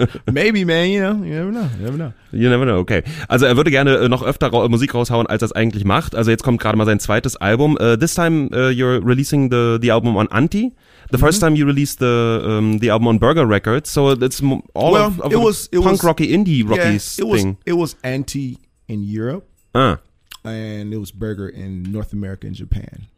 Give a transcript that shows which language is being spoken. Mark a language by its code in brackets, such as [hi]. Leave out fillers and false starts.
[en] Maybe, man, you know, you never know, you never know. You never know, okay. [de] Also er würde gerne noch öfter Musik raushauen, als er es eigentlich macht. Also jetzt kommt gerade mal sein zweites Album. [en] This time you're releasing the album on Anti. The first mm-hmm. time you released the album on Burger Records. So it's all it was punk rocky, indie rocky thing. It was Anti in Europe. And it was Burger in North America and Japan.